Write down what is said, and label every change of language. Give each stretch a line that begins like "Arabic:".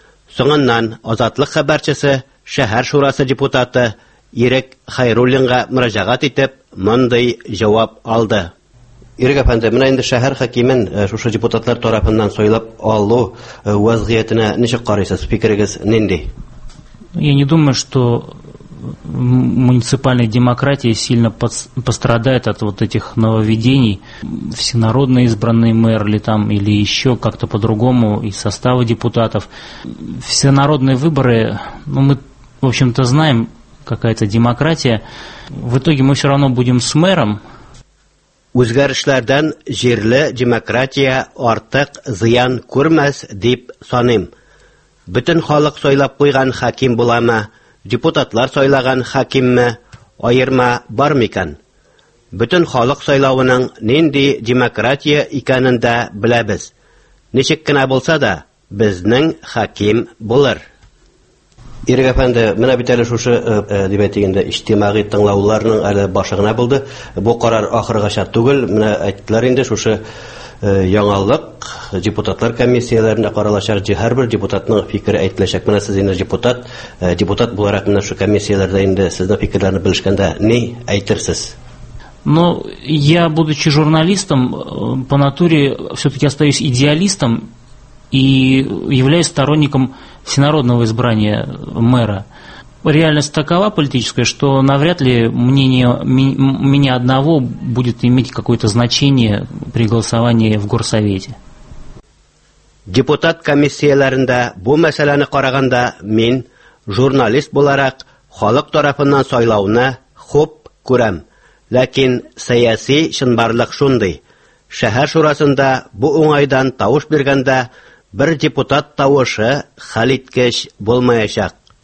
Tatar: Соңыннан Азатлык хәбәрчесе шәһәр шурасы депутаты Ирек Хайруллинга мөрәҗәгать итеп, мондый җавап алды. Ирек әфәнде, менә инде шәһәр хакимен шушы депутатлар тарафыннан сайлап алу вазгыятенә ничек карыйсыз? Фикерегез нинди?
Russian: Я не думаю, что муниципальная демократия сильно пострадает от вот этих нововведений. Всенародно избранный мэр или там, или еще как-то по-другому, и составы депутатов. Всенародные выборы, ну, мы, в общем-то, знаем, какая-то демократия. В итоге мы все равно будем с мэром.
Tatar: Үзгәрешләрдән җирле демократия артык зыян күрмәс дип саныйм. Бөтен халык сайлап куйган хаким буламы, депутатлар сайлаган хакимме, аерма бар микән? Бөтен халык сайлавының нинди демократия икәнен дә беләбез. Ничек кенә булса да, безнең хаким булыр. Ирек әфәнде, менә бит әле шушы дип әйтегендә иҗтимагый тыңлауларның әле башыгына булды. Бу карар ахырга чат түгел, менә әйттеләр инде шушы яңалык депутатлар комиссияләрендә каралачак, һәр бер депутатның фикере әйтеләчәк. Менә сез инде депутат, депутат буларак менә шу комиссияләрдә инде сезнең фикерләрне белешкәндә ни әйтерсез?
Russian: Ну, я, будучи журналистом, по натуре все-таки остаюсь идеалистом и являюсь сторонником всенародного избрания мэра. Реальность такова политическая, что навряд ли мнение меня одного будет иметь какое-то значение при голосовании в горсовете.
Tatar: Депутат комиссияләрендә бу мәсьәләне караганда мин журналист буларак халык тарафыннан сайлауны хуп күрәм. Ләкин сәяси чынбарлык шундый. Шәһәр шурасында бу уңайдан тавыш биргәндә бер депутат тавышы хәлиткеч булмаячак.